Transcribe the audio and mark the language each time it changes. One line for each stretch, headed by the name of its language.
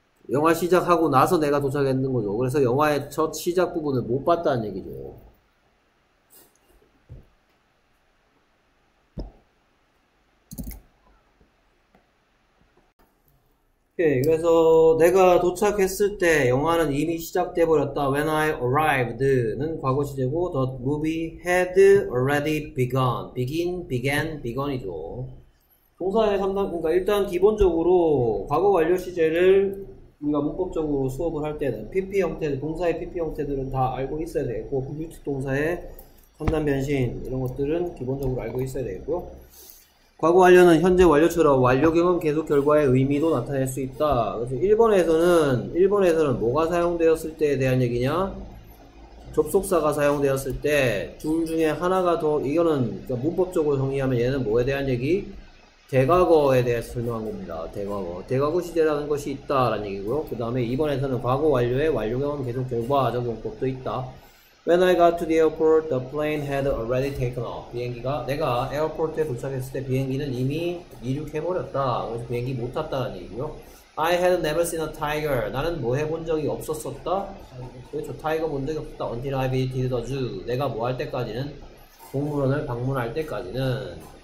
Korean: 영화 시작하고 나서 내가 도착했는 거죠. 그래서 영화의 첫 시작 부분을 못 봤다는 얘기죠. 오케이. 그래서 내가 도착했을 때 영화는 이미 시작돼 버렸다.
English: When I arrived는 과거시제고 the movie had already begun. Begin, began, begun이죠.
Korean: 동사의 3단, 그러니까 일단 기본적으로 과거 완료 시제를 우리가 문법적으로 수업을 할 때는 PP 형태, 동사의 PP 형태들은 다 알고 있어야 되겠고, 뮤트 동사의 3단 변신 이런 것들은 기본적으로 알고 있어야 되겠고요. 과거 완료는 현재 완료처럼 완료 경험 계속 결과의 의미도 나타낼 수 있다. 그래서 1번에서는 뭐가 사용되었을 때에 대한 얘기냐? 접속사가 사용되었을 때 둘 중에 하나가 더, 이거는 그러니까 문법적으로 정리하면 얘는 뭐에 대한 얘기? 대과거에 대해서 설명한 겁니다. 대과거. 대과거 시제라는 것이 있다라는 얘기고요. 그 다음에 2번에서는 과거 완료에 완료 경험 계속 결과 적용법도 있다.
English: When I got to the airport, the plane had already taken off.
Korean: 비행기가, 내가 에어포트에 도착했을 때 비행기는 이미 이륙해버렸다. 그래서 비행기 못 탔다라는 얘기고요.
English: I had never seen a tiger.
Korean: 나는 뭐 해본 적이 없었었다? 그렇죠. 타이거 본 적이 없었다. Until I visited the zoo. 내가 뭐 할 때까지는? 동물원을 방문할 때까지는.